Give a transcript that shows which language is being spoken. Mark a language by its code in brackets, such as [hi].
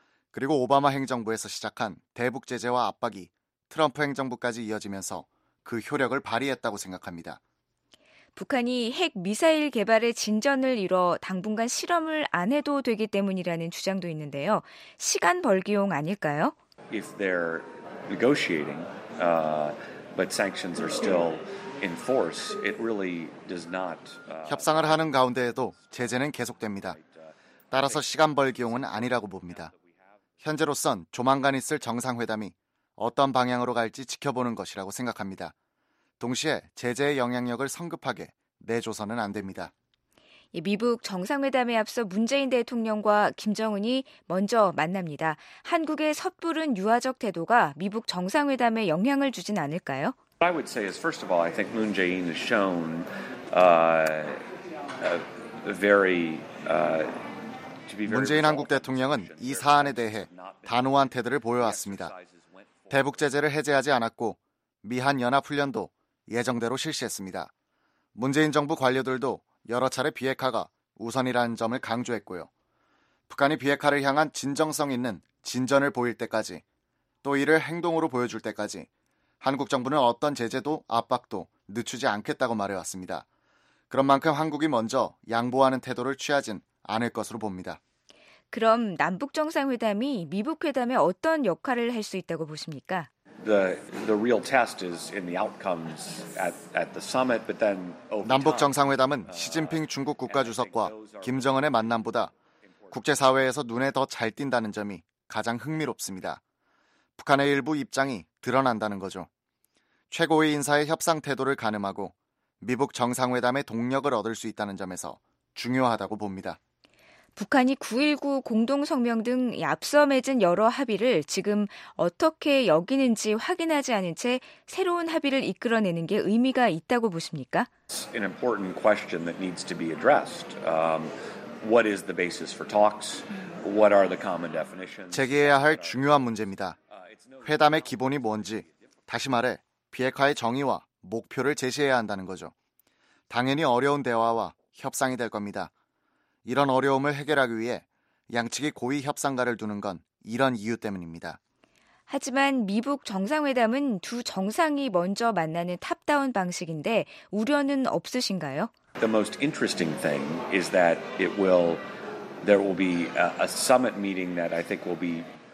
[ko] 그리고 오바마 행정부에서 시작한 대북 제재와 압박이 트럼프 행정부까지 이어지면서 그 효력을 발휘했다고 생각합니다. 북한이 핵 미사일 개발의 진전을 이뤄 당분간 실험을 안 해도 되기 때문이라는 주장도 있는데요. 시간 벌기용 아닐까요? [en] If they're negotiating, but sanctions are still in force, it really does not. [ko] 협상을 하는 가운데에도 제재는 계속됩니다. 따라서 시간 벌기용은 아니라고 봅니다. 현재로선 조만간 있을 정상회담이 어떤 방향으로 갈지 지켜보는 것이라고 생각합니다. 동시에 제재의 영향력을 성급하게 내줘서는 안 됩니다. 미북 정상회담에 앞서 문재인 대통령과 김정은이 먼저 만납니다. 한국의 섣부른 유화적 태도가 미북 정상회담에 영향을 주진 않을까요? [en] I would say is first of all, I think Moon Jae-in has shown to be very. [ko] 문재인 한국 대통령은 이 사안에 대해 단호한 태도를 보여왔습니다. 대북 제재를 해제하지 않았고 미한 연합 훈련도 예정대로 실시했습니다. 문재인 정부 관료들도 여러 차례 비핵화가 우선이라는 점을 강조했고요. 북한이 비핵화를 향한 진정성 있는 진전을 보일 때까지 또 이를 행동으로 보여줄 때까지 한국 정부는 어떤 제재도 압박도 늦추지 않겠다고 말해왔습니다. 그런 만큼 한국이 먼저 양보하는 태도를 취하진 않을 것으로 봅니다. 그럼 남북정상회담이 미북회담에 어떤 역할을 할 수 있다고 보십니까? [en] The real test is in the outcomes at the summit, but then over time. [ko] 남북 정상회담은 시진핑 중국 국가주석과 김정은의 만남보다 국제사회에서 눈에 더 잘 띈다는 점이 가장 흥미롭습니다. 북한의 일부 입장이 드러난다는 거죠. 최고위 인사의 협상 태도를 가늠하고 미북 정상회담의 동력을 얻을 수 있다는 점에서 중요하다고 봅니다. 북한이 9.19 공동성명 등 앞서 맺은 여러 합의를 지금 어떻게 여기는지 확인하지 않은 채 새로운 합의를 이끌어내는 게 의미가 있다고 보십니까? [en] It's an important question that needs to be addressed. What is the basis for talks? What are the common definitions? [ko] 제기해야 할 중요한 문제입니다. 회담의 기본이 뭔지, 다시 말해 비핵화의 정의와 목표를 제시해야 한다는 거죠. 당연히 어려운 대화와 협상이 될 겁니다. 이런 어려움을 해결하기 위해 양측이 고위 협상가를 두는 건 이런 이유 때문입니다. 하지만 미북 정상회담은 두 정상이 먼저 만나는 탑다운 방식인데 우려는 없으신가요? [en] The most interesting thing is that there will be a summit meeting that I think will be